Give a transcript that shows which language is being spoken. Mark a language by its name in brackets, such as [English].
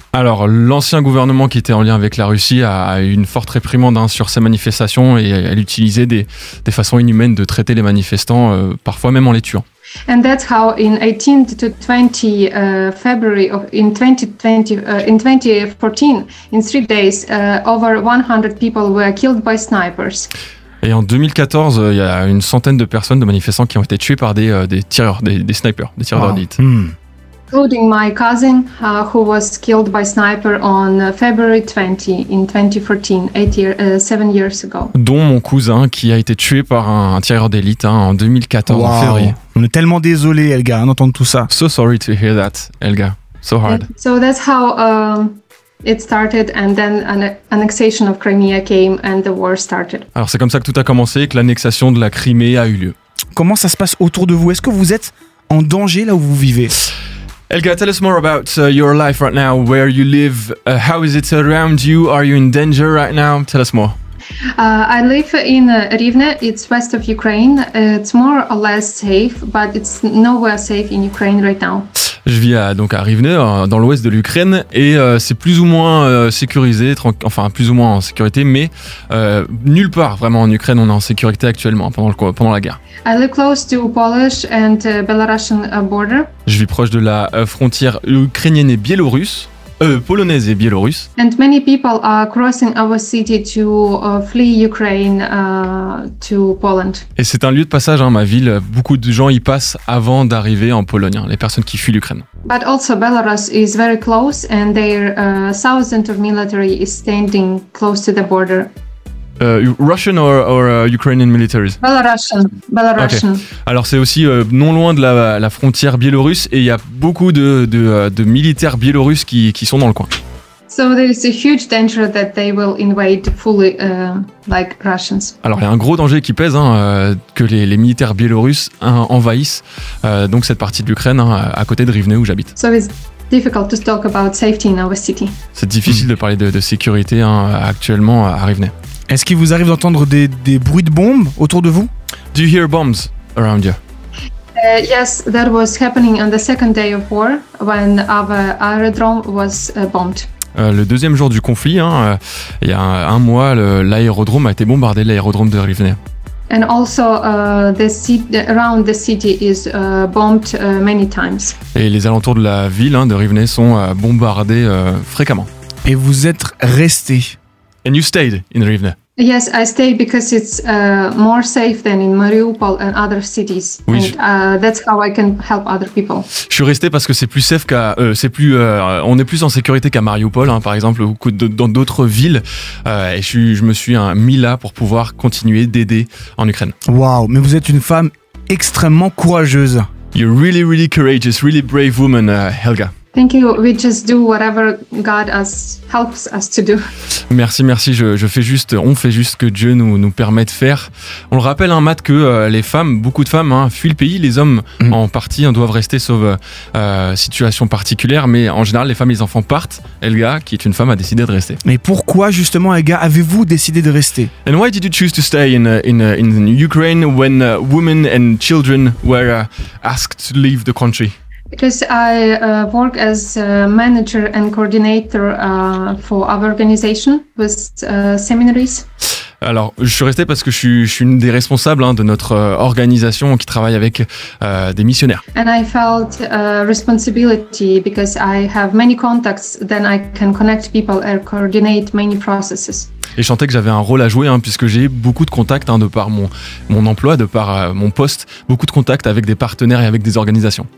[French] Alors, l'ancien gouvernement qui était en lien avec la Russie a eu une forte réprimande hein, sur ces manifestations et elle utilisait des façons inhumaines de traiter les manifestants, parfois même en les tuant. [English] And that's how in 18th to 20 February of in 2020 in 2014 in 3 days over 100 people were killed by snipers. [French] Et en 2014, il y a une centaine de personnes de manifestants qui ont été tuées par des tireurs d'élite. [English] Including my cousin, who was killed by sniper on February 20 in 2014, 7 years ago. [French] Dont mon cousin qui a été tué par un tireur d'élite hein, en 2014 wow. En février. On est tellement désolé, Elga, d'entendre tout ça. [English] So sorry to hear that, Elga. So hard. So that's how it started, and then an annexation of Crimea came, and the war started. [French] Alors c'est comme ça que tout a commencé, que l'annexion de la Crimée a eu lieu. Comment ça se passe autour de vous? Est-ce que vous êtes en danger là où vous vivez? [English] Elga, tell us more about your life right now, where you live, how is it around you, are you in danger right now? Tell us more. I live in Rivne, it's west of Ukraine. It's more or less safe, but it's nowhere safe in Ukraine right now. [French] Je vis à Rivne, dans l'ouest de l'Ukraine, et c'est plus ou moins sécurisé, plus ou moins en sécurité, mais nulle part vraiment en Ukraine on est en sécurité actuellement pendant la guerre. [English] I live close to Polish and Belarusian border. [French] Je vis proche de la frontière ukrainienne et biélorusse. Polonaise et biélorusse. [English] And many people are crossing our city to flee Ukraine to Poland. [French] Et c'est un lieu de passage, hein, ma ville. Beaucoup de gens y passent avant d'arriver en Pologne. Hein, les personnes qui fuient l'Ukraine. [English] But also Belarus is very close, and their thousands of military is standing close to the border. Russian or Ukrainian militaries? Belarusian. Okay. [French] Alors c'est aussi non loin de la frontière biélorusse et il y a beaucoup de militaires biélorusses qui sont dans le coin. [English] So there is a huge danger that they will invade fully like Russians. [French] Alors il y a un gros danger qui pèse hein, que les militaires biélorusses hein, envahissent donc cette partie de l'Ukraine hein, à côté de Rivne où j'habite. [English] So it's difficult to talk about safety in our city. [French] C'est difficile de parler de sécurité hein, actuellement à Rivne. Est-ce qu'il vous arrive d'entendre des bruits de bombes autour de vous? [English] Do you hear bombs around you? Yes, that was happening on the second day of war when our aerodrome was bombed. [French] Le deuxième jour du conflit, hein, il y a un mois, l'aérodrome a été bombardé, l'aérodrome de Rivne. [English] And also the city around the city is bombed many times. [French] Et les alentours de la ville hein, de Rivne sont bombardés fréquemment. Et vous êtes resté. [English] And you stayed in Rivne. Yes, I stayed because it's more safe than in Mariupol and other cities. [French] Oui, [English] and that's how I can help other people. [French] Je suis resté parce que c'est plus safe qu'à on est plus en sécurité qu'à Mariupol hein, par exemple ou dans d'autres villes et je me suis mis là pour pouvoir continuer d'aider en Ukraine. Waouh, mais vous êtes une femme extrêmement courageuse. [English] You're really really courageous, really brave woman, Helga. Thank you. We just do whatever God us helps us to do. [French] Merci. On fait juste que Dieu nous permet de faire. On le rappelle hein, Matt, que les femmes, beaucoup de femmes, hein, fuient le pays. Les hommes, en partie, hein, doivent rester sauf situation particulière. Mais en général, les femmes et les enfants partent. Helga, qui est une femme, a décidé de rester. Mais pourquoi justement, Helga, avez-vous décidé de rester? [English] And why did you choose to stay in Ukraine when women and children were asked to leave the country? Because I work as a manager and coordinator for our organization with seminaries. [French] Alors, je suis resté parce que je suis une des responsables hein, de notre organisation qui travaille avec des missionnaires. [English] And I felt responsibility because I have many contacts, then I can connect people and coordinate many processes. [French] Et je sentais que j'avais un rôle à jouer hein, puisque j'ai beaucoup de contacts hein, de par mon emploi, de par mon poste, beaucoup de contacts avec des partenaires et avec des organisations.